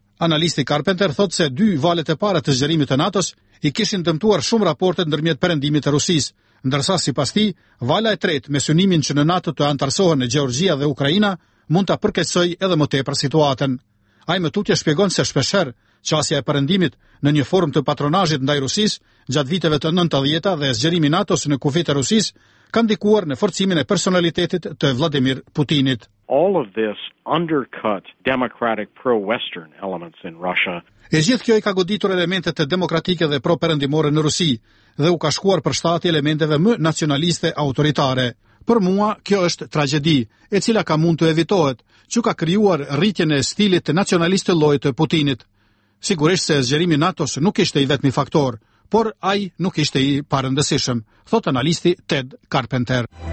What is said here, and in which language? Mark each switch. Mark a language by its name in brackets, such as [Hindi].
[Albanian] Analisti Carpenter thot se dy valet e para të zgjerimit të NATO-s i kishin dëmtuar shumë raportet ndërmjet perëndimit të Rusisë, ndërsa sipas tij, vala e tretë me synimin që në NATO të antarësohen në Gjeorgjia dhe Ukraina mund ta përkeqësoj edhe më tepër situatën. Ai më tutje shpjegon se shpeshherë çasja e perëndimit në një formë të patronazhit ndaj Rusisë gjatë viteve të 90-ta dhe zgjerimi i NATO-s në kufit të Rusisë kanë ndikuar në forcimin e personalitetit të Vladimir Putinit. [English] All of this undercut democratic pro-western elements in Russia. [Albanian] E gjithë kjo i ka goditur elementet të demokratike dhe pro-perëndimore në Rusi dhe u ka shkuar për shtati elementeve më nacionaliste autoritare. Për mua, kjo është tragedi, e cila ka mund të evitohet, që ka krijuar rritjen e stilit nacionalistë lojë të Putinit. Sigurisht se zgjerimi NATO-s nuk ishte i vetmi faktor, por ai nuk ishte i parëndësishëm, thot analisti Ted Carpenter.